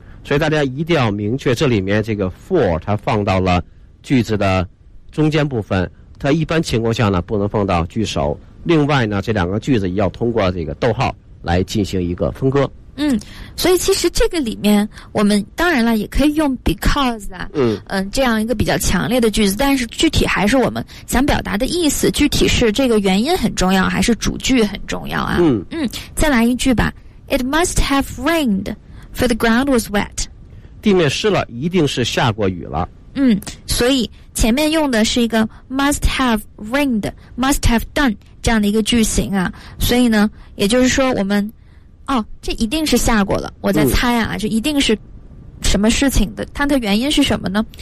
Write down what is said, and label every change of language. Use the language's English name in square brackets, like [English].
[Chinese] 所以大家一定要明确这里面这个 for 它放到了句子的中间部分，它一般情况下呢不能放到句首，另外呢这两个句子要通过这个逗号来进行一个分割。所以其实这个里面我们当然了也可以用 because 啊，这样一个比较强烈的句子，但是具体还是我们想表达的意思，具体是这个原因很重要还是主句很重要啊。 [English] 再来一句吧， It must have rained, for the ground was wet. [Chinese] 地面湿了，一定是下过雨了。所以前面用的是一个 [English] must have rained, must have done [Chinese] 这样的一个句型啊，所以呢也就是说我们这一定是下过了，我在猜啊，这一定是什么事情的，它的原因是什么呢？